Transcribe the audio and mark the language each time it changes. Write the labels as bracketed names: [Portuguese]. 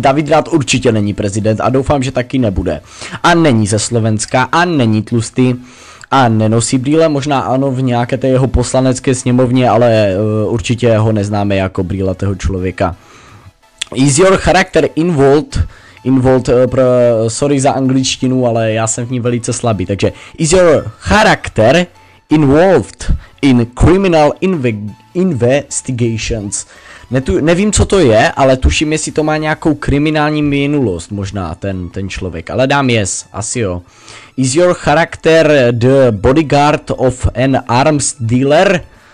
[Czech] David Rath určitě není prezident a doufám, že taky nebude. A není ze Slovenska a není tlustý. A nenosí brýle, možná ano v nějaké té jeho poslanecké sněmovně, ale určitě ho neznáme jako brýla toho člověka. [English] Is your character involved? Involved, sorry [Czech] za angličtinu, ale já jsem v ní velice slabý. [English] Takže, is your character involved in criminal investigations? [Czech] Nevím, co to je, ale tuším, jestli to má nějakou kriminální minulost, možná ten člověk, ale dám yes, asi jo. [English] Is your character the bodyguard of an arms dealer?